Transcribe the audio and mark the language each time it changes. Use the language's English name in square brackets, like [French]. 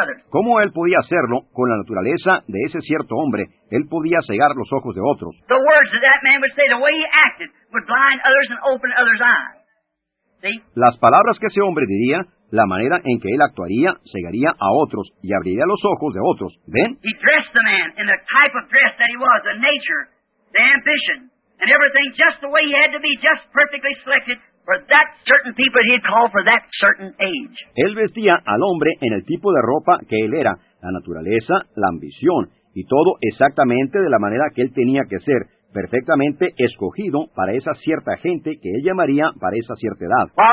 [Spanish] ¿Cómo él podía hacerlo con la naturaleza de ese cierto hombre? Él podía cegar los ojos de otros. [English] The words that that man would say, the way he acted, would blind others and open others' eyes. See? [Spanish] Las palabras que ese hombre diría, la manera en que él actuaría, cegaría a otros y abriría los ojos de otros. ¿Ven? [English] He dressed the man in the type of dress that he was, the nature, the ambition, and everything just the way he had to be, just perfectly selected for that certain people he had called for that certain age. [Spanish] Él vestía al hombre en el tipo de ropa que él era, la naturaleza, la ambición, y todo exactamente de la manera que él tenía que ser, perfectamente escogido para esa cierta gente que él llamaría para esa cierta edad.